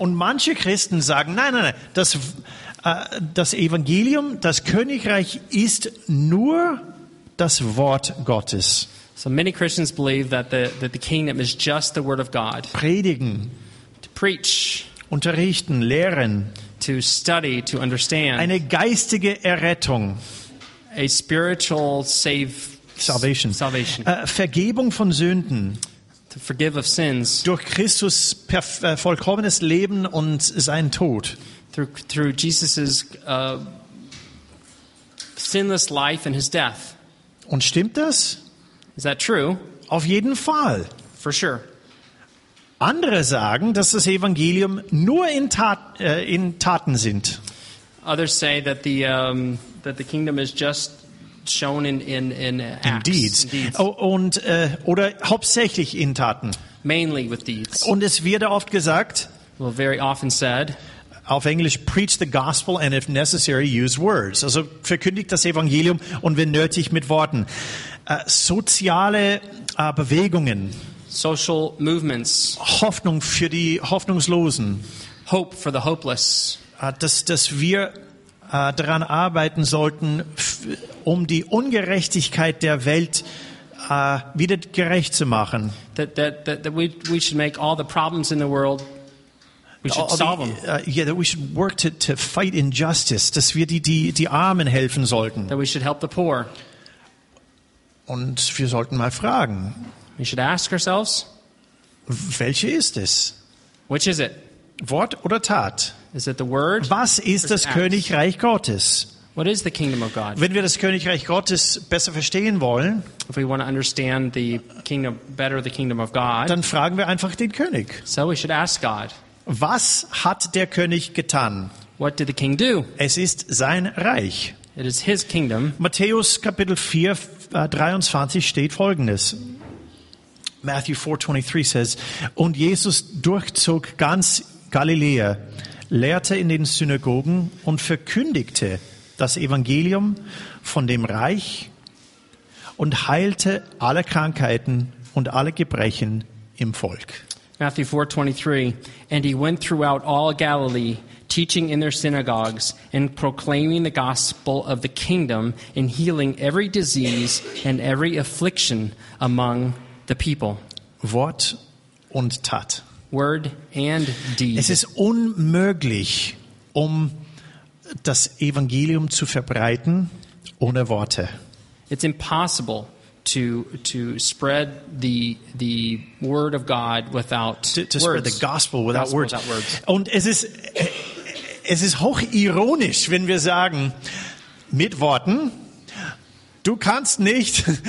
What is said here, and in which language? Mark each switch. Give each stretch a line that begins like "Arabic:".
German: Und manche Christen sagen, nein, das Evangelium, das Königreich ist nur das Wort Gottes.
English: So many Christians believe that the kingdom is just the word of God.
German: Predigen,
English: to preach,
German: unterrichten, lehren,
English: to study, to understand.
German: Eine geistige Errettung.
English: A spiritual salvation.
German: Vergebung von Sünden.
English: To forgive of sins.
German: Durch Christus vollkommenes Leben und seinen Tod.
English: Through Jesus's sinless life and his death.
German: Und stimmt das?
English: Is that true?
German: Auf jeden Fall.
English: For sure.
German: Andere sagen, dass das Evangelium nur in Taten sind.
English: Others say that the kingdom is just shown in acts. Indeed.
German: Oder hauptsächlich in Taten.
English: Mainly with deeds.
German: Und es wird oft gesagt.
English: Well, very often said.
German: Auf Englisch,
English: preach the gospel and if necessary use words.
German: Also verkündigt das Evangelium und wenn nötig mit Worten. Soziale Bewegungen.
English: Social movements.
German: Hoffnung für die Hoffnungslosen.
English: Hope for the hopeless.
German: Dass wir daran arbeiten sollten, um die Ungerechtigkeit der Welt wieder gerecht zu machen.
English: That we should make all the problems in the world. We should solve them. Yeah, that we should work to fight injustice.
German: Dass wir die Armen helfen sollten.
English: That we should help the poor.
German: Und wir sollten mal fragen.
English: We should ask ourselves.
German: Welche ist es?
English: Which is it?
German: Wort oder Tat?
English: Is it the word?
German: Was ist das Königreich Gottes?
English: What is the kingdom of God?
German: Wenn wir das Königreich Gottes besser verstehen wollen,
English: if we want to understand the kingdom better, the kingdom of God,
German: dann fragen wir einfach den König.
English: So we should ask God.
German: Was hat der König getan?
English: What did the king do?
German: Es ist sein Reich.
English: It is his kingdom.
German: Matthäus Kapitel 4, 23 steht Folgendes.
English: Matthew 4:23 says,
German: und Jesus durchzog ganz Galiläa, lehrte in den Synagogen und verkündigte das Evangelium von dem Reich und heilte alle Krankheiten und alle Gebrechen im Volk.
English: Matthew 4:23, and he went throughout all Galilee, teaching in their synagogues and proclaiming the gospel of the kingdom and healing every disease and every affliction among the people.
German: Wort und Tat.
English: Word and deed.
German: Es ist unmöglich, um das Evangelium zu verbreiten ohne Worte.
English: It's impossible to spread the word of God without to spread the gospel without words. Without words.
German: Und es ist hochironisch, wenn wir sagen, mit Worten, du kannst nicht.